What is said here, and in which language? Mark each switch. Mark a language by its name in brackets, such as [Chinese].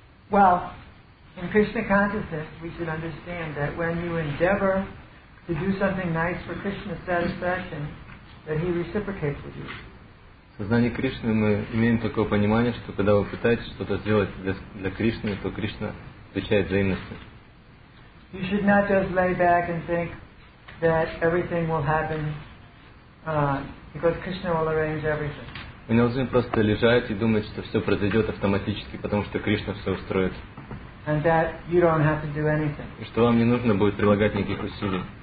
[English] Well, in Krishna consciousness, we should understand that when you endeavor to do something nice for Krishna's satisfaction, that He reciprocates with you. [Russian] В сознании Кришны мы имеем такое понимание, что когда вы пытаетесь что-то сделать для Кришны, то Кришна отвечает взаимностью. [English] You should not just lay back and think that everything will happen because Krishna will arrange everything. [Russian] Вы не должны просто лежать и думать, что все произойдет автоматически, потому что Кришна все устроит. [English] And that you don't have to do anything. [Russian] И что вам не нужно будет прилагать никаких усилий.